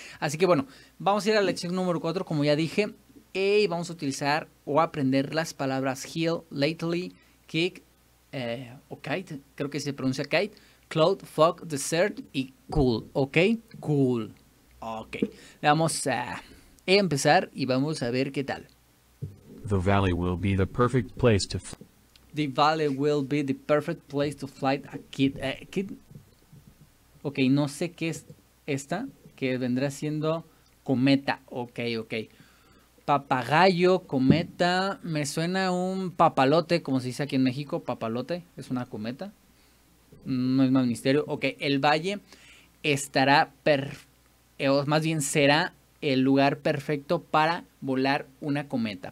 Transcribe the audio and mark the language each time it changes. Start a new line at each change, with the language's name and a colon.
Spanish: Así que bueno, vamos a ir a la lección número 4, como ya dije, y vamos a utilizar o aprender las palabras heal, lately, kick, o kite, creo que se pronuncia kite, cloud, fog, desert y cool, ¿ok? Cool. Ok, vamos a empezar y vamos a ver qué tal.
English: The valley will be the perfect place to The valley will be the perfect place to fly a kid.
Spanish: Ok, no sé qué es esta, que vendrá siendo cometa. Ok. Papagayo, cometa, me suena un papalote, como se dice aquí en México, papalote, es una cometa. No es más misterio. Ok, el valle estará perfecto, más bien será el lugar perfecto para volar una cometa.